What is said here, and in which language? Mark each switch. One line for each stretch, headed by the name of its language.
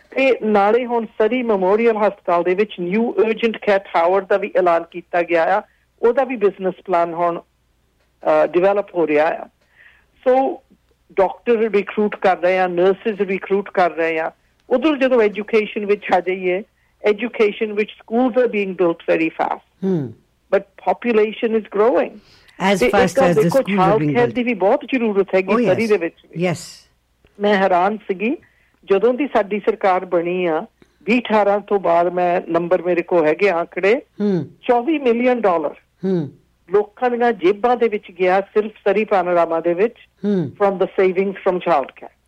Punjabi: ਤੇ ਨਾਲੇ ਹੁਣ ਸਰੀ ਮੈਮੋਰੀਅਲ ਹਸਪਤਾਲ ਦੇ ਵਿੱਚ ਨਿਊ ਅਰਜੈਂਟ ਕੇਅਰ ਟਾਵਰ ਦਾ ਵੀ ਐਲਾਨ ਕੀਤਾ ਗਿਆ ਆ, ਉਹਦਾ ਵੀ ਬਿਜ਼ਨਸ ਪਲਾਨ ਹੁਣ ਡਿਵੈਲਪ ਹੋ ਰਿਹਾ ਆ। ਸੋ ਡਾਕਟਰ ਰਿਕਰੂਟ ਕਰ ਰਹੇ ਆ, ਨਰਸਿਸ ਰਿਕਰੂਟ ਕਰ ਰਹੇ ਆ, ਉਧਰ ਜਦੋਂ ਐਜੂਕੇਸ਼ਨ ਵਿੱਚ ਆ ਜਾਈਏ, ਐਜੂਕੇਸ਼ਨ ਵਿੱਚ
English: Schools are being built very fast, but population is growing, as fast as the school are being built.
Punjabi: ਵੀ ਬਹੁਤ ਜ਼ਰੂਰਤ ਹੈਗੀ ਸਰੀ ਦੇ ਵਿੱਚ
English: yes
Punjabi: ਮੈਂ ਹੈਰਾਨ ਸੀਗੀ ਜਦੋਂ ਦੀ ਸਾਡੀ ਸਰਕਾਰ ਬਣੀ ਆ 2018 ਤੋਂ ਬਾਅਦ ਮੈਂ ਨੰਬਰ ਮੇਰੇ ਕੋਲ ਹੈਗੇ ਆਂਕੜੇ 24 million dollars ਲੋਕਾਂ ਦੀਆਂ ਜੇਬਾਂ ਦੇ ਵਿੱਚ ਗਿਆ ਸਿਰਫ ਸਰੀ ਪੈਨੋਰਾਮਾ ਦੇ ਵਿੱਚ
English: from the savings from child care